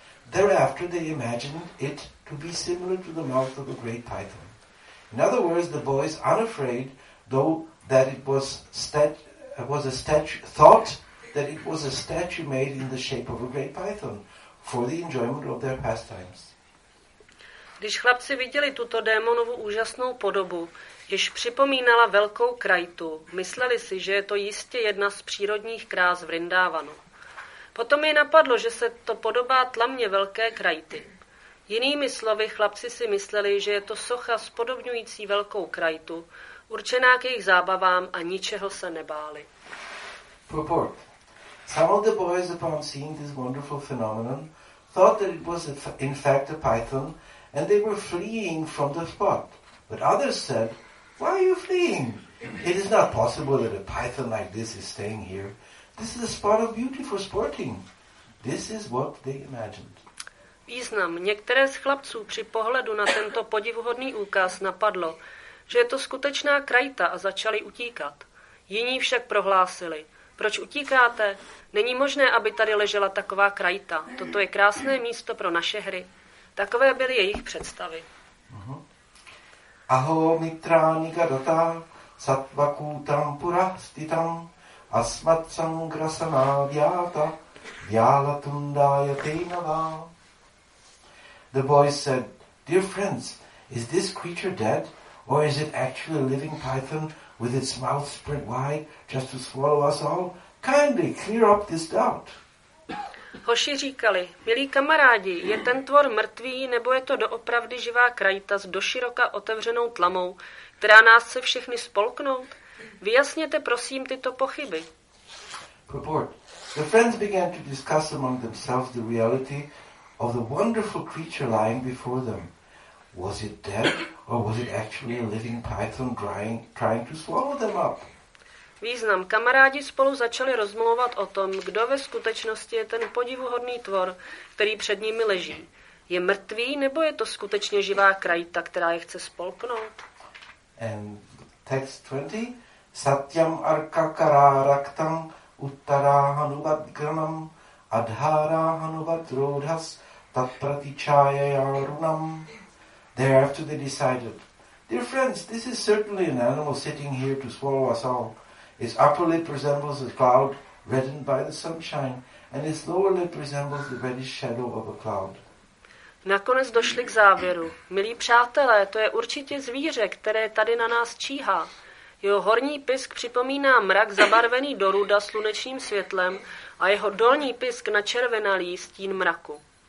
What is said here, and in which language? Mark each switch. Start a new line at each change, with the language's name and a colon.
English: Thereafter, they imagined it to be similar to the mouth of a great python. In other words, the boys, unafraid, thought that it was a statue made in the shape of a great python for the enjoyment of their pastimes.
Czech: Když chlapci viděli tuto démonovu úžasnou podobu, jež připomínala velkou krajtu, mysleli si, že je to jistě jedna z přírodních krás Vrindávanu. Potom je napadlo, že se to podobá tlamě velké krajty. Jinými slovy, chlapci si mysleli, že je to socha spodobňující velkou krajtu, určená k jejich zábavám a ničeho se nebáli.
English: Report. Some of the boys, upon seeing this wonderful phenomenon, thought that it was in fact a python, and they were fleeing from the spot. But others said, "Why are you fleeing? It is not possible that a python like this is staying here. This is a spot of beauty for sporting." This is what they imagined.
Czech: Význam. Některé z chlapců při pohledu na tento podivuhodný úkaz napadlo, že je to skutečná krajta a začali utíkat. Jiní však prohlásili, proč utíkáte? Není možné, aby tady ležela taková krajta. Toto je krásné místo pro naše hry. Takové byly jejich představy.
Sanskrit: Aho mitrani gadata sattva kutam purastitam asmat sangrasana vyata vyalatundayatenava.
English: The boys said, "Dear friends, is this creature dead, or is it actually a living python with its mouth spread wide just to swallow us all? Kindly clear up this doubt."
Czech: Hoši říkali, milí kamarádi, je ten tvor mrtvý, nebo je to doopravdy živá krajita s doširoka otevřenou tlamou, která nás chce všechny spolknout? Vyjasněte prosím tyto pochyby.
English: Report. The friends began to discuss among themselves the reality of the wonderful creature lying before them. Was it dead, or was it actually a living python trying to swallow them up?
Czech: Význam. Kamarádi spolu začali rozmlouvat o tom, kdo ve skutečnosti je ten podivuhodný tvor, který před nimi leží. Je mrtvý, nebo je to skutečně živá krajita, která je chce spolknout?
English: And text 20.
Sanskrit: Satyam arka kararaktam uttara hanuvat granam adhara hanuvat rodhas tat pratichaya yarunam.
English: Thereafter they decided, "Dear friends, this is certainly an animal sitting here to swallow us all. Its upper lip resembles a cloud reddened by the sunshine, and its lower lip resembles the reddish shadow of a cloud."
Czech: Nakonec došli k závěru. Milí přátelé, to je určitě zvíře, které tady na nás číhá. Jeho horní pisk připomíná mrak zabarvený do ruda slunečním světlem a jeho dolní pisk načervenalý stín mraku.